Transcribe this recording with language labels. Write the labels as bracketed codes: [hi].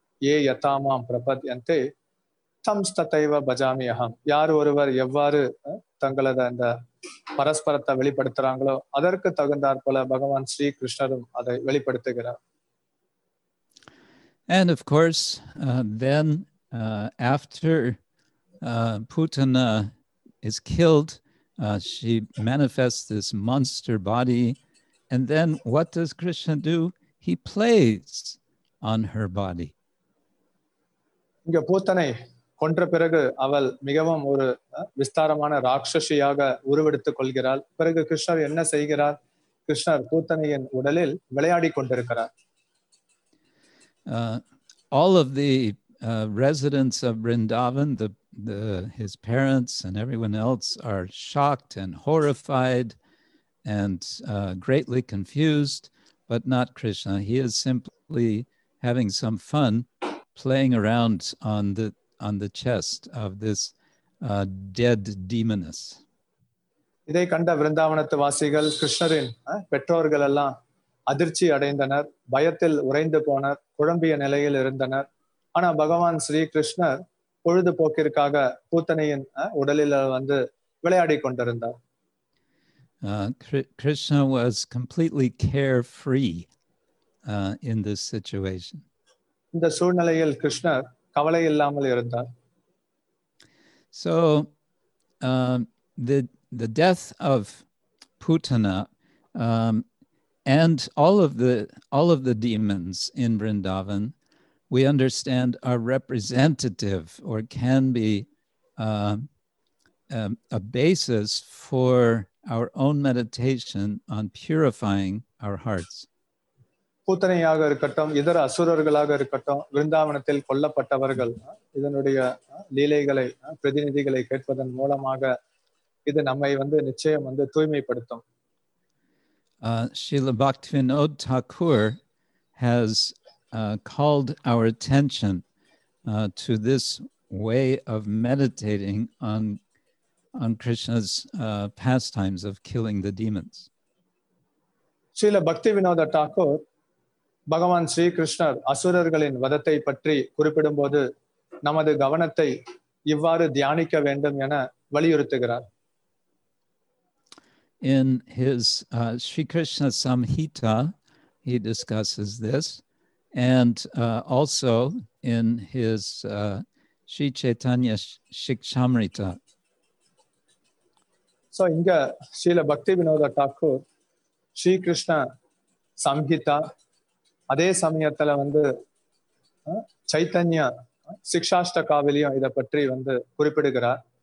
[sa] Ye yataha mang prapadyante [ta] வெளிப்படுத்துறாங்களோ அதற்கு தகுந்தார் போல பகவான் ஸ்ரீ கிருஷ்ணரும் அதை வெளிப்படுத்துகிறார். [en] And of course, then after Putana is killed, she manifests this monster body, and then what does Krishna do? He plays on her body. [ta] இங்க பூத்தனை கொன்ற பிறகு அவள் மிகவும் ஒரு விஸ்தாரமான ராட்சசியாக உருவெடுத்துக் கொள்கிறாள். பிறகு கிருஷ்ணர் என்ன செய்கிறார்? கிருஷ்ணர் பூத்தனையின் உடலில் விளையாடி கொண்டிருக்கிறார். [en] All of the residents of Vrindavan, his parents and everyone else are shocked and horrified and greatly confused, but not Krishna. He is simply having some fun playing around on the chest of this dead demoness. [ta] இதை கண்ட விருந்தாவனத்து வாசிகள் கிருஷ்ணரின் பெற்றோர்கள் எல்லாம் அதிர்ச்சி அடைந்தனர், பயத்தில் உறைந்து போனர், குழம்பிய நிலையில் இருந்தனர். ஆனா பகவான் ஸ்ரீ கிருஷ்ணர் பொழுதுபோக்கிற்காக பூத்தனையின் உடலில் வந்து விளையாடி கொண்டிருந்தார். [en] Krishna was completely carefree in this situation. [ta] இந்த சூழ்நிலையில் கிருஷ்ணர் கவலை இல்லாமல் இருந்தார். [en] So the death of Putana and all of the demons in Vrindavan, we understand, are representative or can be a basis for our own meditation on purifying our hearts. [ta] பூத்தனையாக இருக்கட்டும், இதர அசுரர்களாக இருக்கட்டும், விருந்தாவனத்தில் கொல்லப்பட்டவர்கள் இதனுடைய லீலைகளை பிரதிநிதிகளை கேட்பதன் மூலமாக இது நம்மை வந்து நிச்சயம் வந்து தூய்மைப்படுத்தும். [en] Srila Bhaktivinoda Thakur has called our attention to this way of meditating on Krishna's pastimes of killing the demons. [ta] Srila Bhaktivinoda Thakur, பகவான் ஸ்ரீ கிருஷ்ணர் அசுரர்களின் வதத்தை பற்றி குறிப்பிடும் போது நமது கவனத்தை இவ்வாறு தியானிக்க வேண்டும் என வலியுறுத்துகிறார். [en] In his Sri Krishna Samhita, he discusses this, and also in his Sri Chaitanya Shikshamrita. [ta] So inga Srila Bhaktivinoda Thakur Sri Krishna Samhita அதே சமயத்துல வந்து சைத்தன்ய சிக்ஷாஷ்டகாவிலையும் இதை பற்றி வந்து குறிப்பிடுகிறார்.